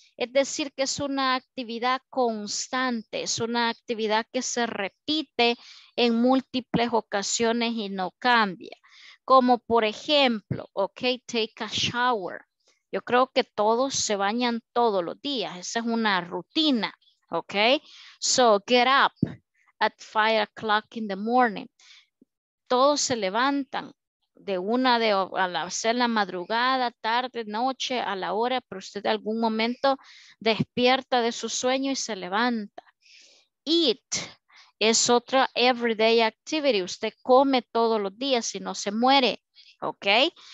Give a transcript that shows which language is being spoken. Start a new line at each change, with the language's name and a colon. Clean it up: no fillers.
Spanish: Es decir, que es una actividad constante, es una actividad que se repite en múltiples ocasiones y no cambia. Como por ejemplo, ok,
English: take a shower.
Spanish: Yo creo que todos se bañan todos los días. Esa es una rutina, ok.
English: So, get up at 5 o'clock in the morning.
Spanish: Todos se levantan de una de a la, sea la madrugada, tarde, noche, a la hora, pero usted de algún momento despierta de su sueño y se levanta. Eat. Es otra
English: everyday activity.
Spanish: Usted come todos los días y no se muere, ¿ok?